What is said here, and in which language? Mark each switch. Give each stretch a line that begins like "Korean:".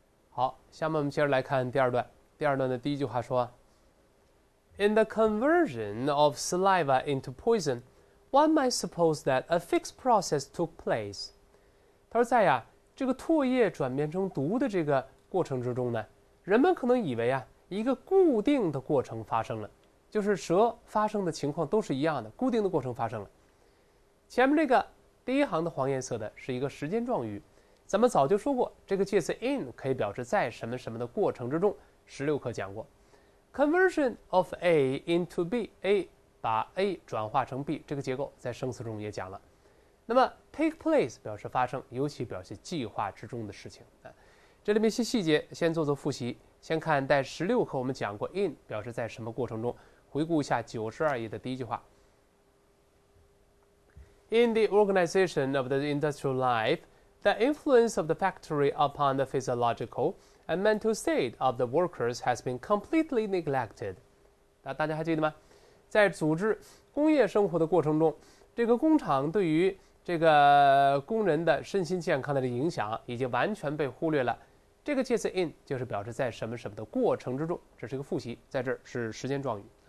Chinese: 好，下面我们接着来看第二段。
English: 第二段的第一句话说：“ In the conversion of saliva into poison, one might suppose that a fixed process took place。”
Chinese: 他说在呀，这个唾液转变成毒的这个过程之中呢，人们可能以为啊，一个固定的过程发生了，就是蛇发生的情况都是一样的，固定的过程发生了。前面这个第一行的黄颜色的是一个时间状语。咱们早就说过，这个介词 in 可以表示在什么什么的过程之中。十六课讲过 ， conversion of A into B， A 把 A 转化成 B， 这个结构在生词中也讲了。那么 take place 表示发生，尤其表示计划之中的事情。这里面一些细节先做做复习。先看在十六课我们讲过 in 表示在什么过程中，回顾一下九十二页的第一句话 ： In the organization of the industrial life。
English: The influence of the factory upon the physiological and mental state of the workers has been completely neglected.
Chinese: 大家还记得吗？在组织工业生活的过程中，这个工厂对于这个工人的身心健康的影响已经完全被忽略了。这个介词 in 就是表示在什么什么的过程之中，这是一个复习，在这儿是时间状语。